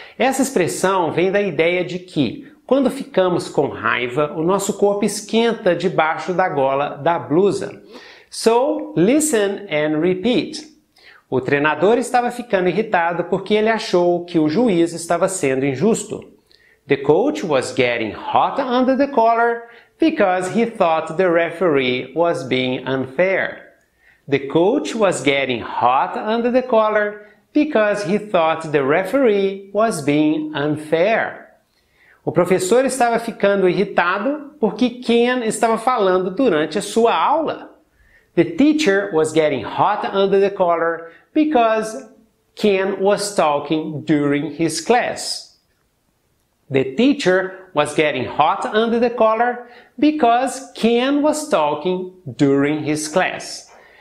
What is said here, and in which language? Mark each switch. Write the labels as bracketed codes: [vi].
[pt] Essa expressão vem da ideia de que, quando ficamos com raiva, o nosso corpo esquenta debaixo da gola da blusa. [en] So, listen and repeat. [pt] O treinador estava ficando irritado porque ele achou que o juiz estava sendo injusto. [en] The coach was getting hot under the collar because he thought the referee was being unfair. The coach was getting hot under the collar because he thought the referee was being unfair. [pt] O professor estava ficando irritado porque Ken estava falando durante a sua aula. [en] The teacher was getting hot under the collar because Ken was talking during his class. The teacher was getting hot under the collar because Ken was talking during his class.